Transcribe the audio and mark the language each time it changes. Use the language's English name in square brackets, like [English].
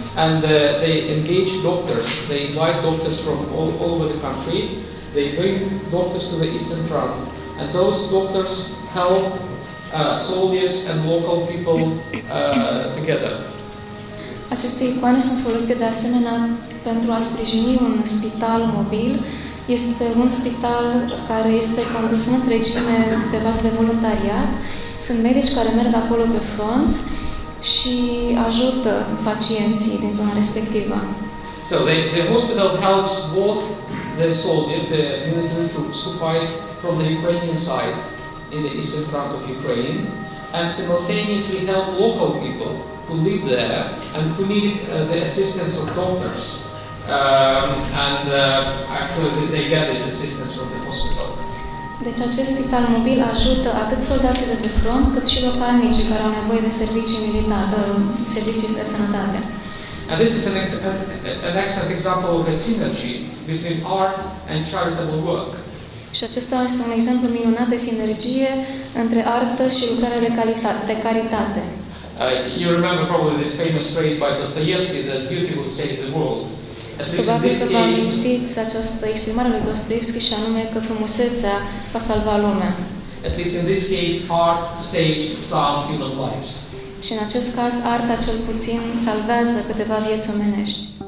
[English] And they engage doctors, they invite doctors from all over the country, they bring doctors to the Eastern Front, and those doctors help soldiers and local people together. [Romanian] Aceste icoane sunt folosite de asemenea pentru a sprijini un spital mobil. Este un spital care este condus în întregime pe bază de voluntariat. Sunt medici care merg acolo pe front și ajută pacienții din zona respectivă. [English] So the hospital helps both the soldiers, the military troops who fight from the Ukrainian side in the eastern front of Ukraine, and simultaneously help local people who live there and who need the assistance of doctors. Actually they get this assistance from the hospital. [Romanian] Deci acest spital mobil ajută atât soldații de pe front, cât și localnicii care au nevoie de servicii militare, servicii de sănătate. [English] And this is an excellent example of a synergy between art and charitable work. [Romanian] Și acesta este un exemplu minunat de sinergie între artă și lucrarea de caritate. [English] You remember probably this famous phrase by Dostoevsky that beauty will save the world. [Romanian] Probabil că vă amintiți această exprimare lui Dostoevski și anume că frumusețea va salva lumea. [English] At least in this case, art saves some human lives. [Romanian] Și în acest caz, arta cel puțin salvează câteva vieți omenești.